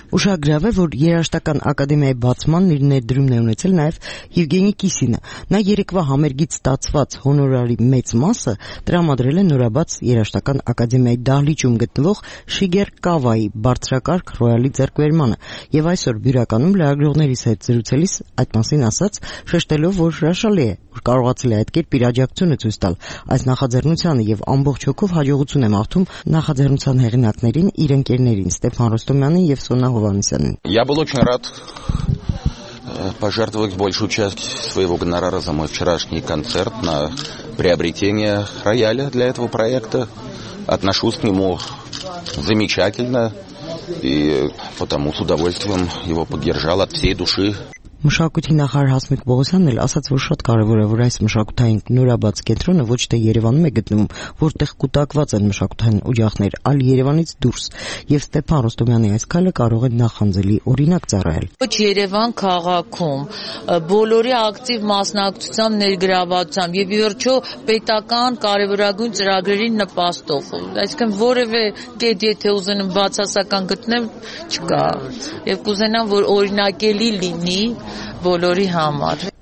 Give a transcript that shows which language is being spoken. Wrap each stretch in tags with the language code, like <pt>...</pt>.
<hy>Ուշագրավ է, որ երաժշտական ակադեմիայի բացմանն իր ներդրումն է ունեցել նաև Եվգենի Կիսինը։ Նա երեկվա համերգից ստացված հոնորարի մեծ մասը տրամադրել է նորաբաց երաժշտական ակադեմիայի դահլիճում գտնվող Շիգեր Կավայի բարձրակարգ ռոյալի ձեռքբերմանը, եւ այսօր բյուրականում լրագրողներից հետ զրուցելիս այդ մասին ասաց, շեշտելով, որ հրաշալի է, որ կարողացել է այդ կերպ իր աջակցությունը ցույց տալ այս նախաձեռնությանը, եւ ամբողջ հոգով հաջողություն է մաղթում նախաձեռնության հեղինակներին, իր ընկերներին Ստեփան Ռոստոմյանին եւ</hy> <ru>Я был очень рад пожертвовать большую часть своего гонорара за мой вчерашний концерт на приобретение рояля для этого проекта. Отношусь к нему замечательно и потому с удовольствием его поддержал от всей души.</ru> <hy>Մշակույթի նախարար Հասմիկ Պողոսյանն էլ ասաց, որ շատ կարևոր է, որ այս մշակութային նորաբաց կենտրոնը ոչ թե Երևանում է գտնվում, որտեղ կուտակված են մշակութային օջախներ, այլ Երևանից դուրս, եւ Ստեփան Ռոստոմյանի այս քայլը կարող է նախանձելի օրինակ ծառայել։ Ոչ Երևան քաղաքում, բոլորի ակտիվ մասնակցությամբ, ներգրավվածությամբ եւ ի վերջո պետական կարևորագույն ծրագրերի նպաստող, այսինքն որևէ կետ, եթե ուզենամ բացասական գտնեմ, չկա, եւ կուզենամ, որ օրինակելի լինի բոլորի համար։</hy>